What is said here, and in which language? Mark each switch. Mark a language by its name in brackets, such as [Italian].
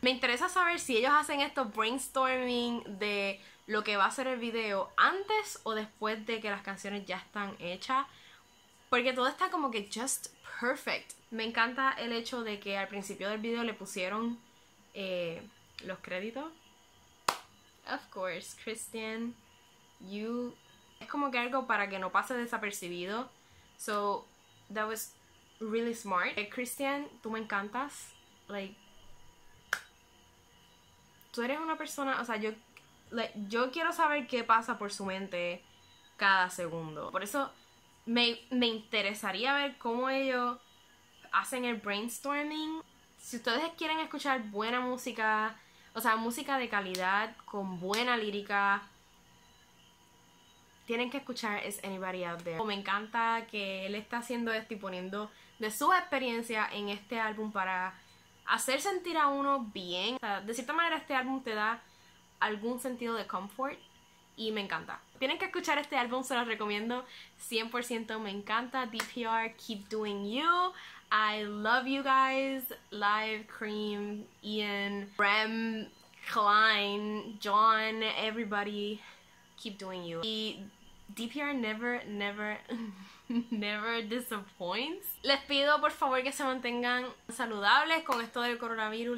[Spanish] Me interesa saber si ellos hacen esto brainstorming de lo que va a ser el video antes o después de que las canciones ya están hechas. Porque todo está como que just perfect. Me encanta el hecho de que al principio del video le pusieron los créditos. [English] Of course, Christian, you... [Spanish] Es como que algo para que no pase desapercibido. So, that was... really smart. Christian, tú me encantas. Like, tú eres una persona, o sea, yo quiero saber qué pasa por su mente cada segundo. Por eso me interesaría ver cómo ellos hacen el brainstorming. Si ustedes quieren escuchar buena música, o sea, música de calidad con buena lírica, tienen que escuchar Is Anybody Out There. Me encanta que él está haciendo esto y poniendo de su experiencia en este álbum para hacer sentir a uno bien. O sea, de cierta manera este álbum te da algún sentido de comfort y me encanta. Tienen que escuchar este álbum, se los recomiendo 100%. Me encanta DPR, keep doing you. [English] I love you guys. Live, Cream, Ian, Rem, Klein, John, everybody. Keep doing you. Y DPR never, never, never disappoints. [Spanish] Les pido por favor que se mantengan saludables con esto del coronavirus.